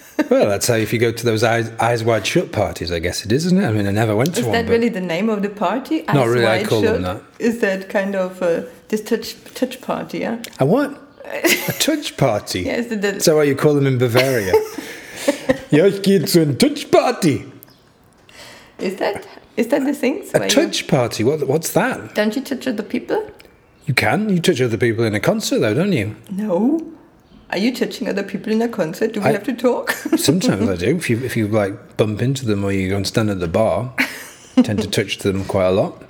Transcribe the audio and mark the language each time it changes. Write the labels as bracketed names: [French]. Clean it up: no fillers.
[English] Well, that's how if you go to those eyes wide shut parties, I guess it is, isn't it? I mean, I never went to one. Is that really the name of the party? Not really, I call them that. Is that kind of this touch party, yeah? A what? A touch party? Yes. Is that what you call them in Bavaria? [German] Ja, ich gehe zu einer touch party. [English] Is that the thing? A touch party? What's that? Don't you touch other people? You can. You touch other people in a concert, though, don't you? No. Are you touching other people in a concert? Do we have to talk? Sometimes I do. If you like bump into them or you go and stand at the bar, I tend to touch them quite a lot.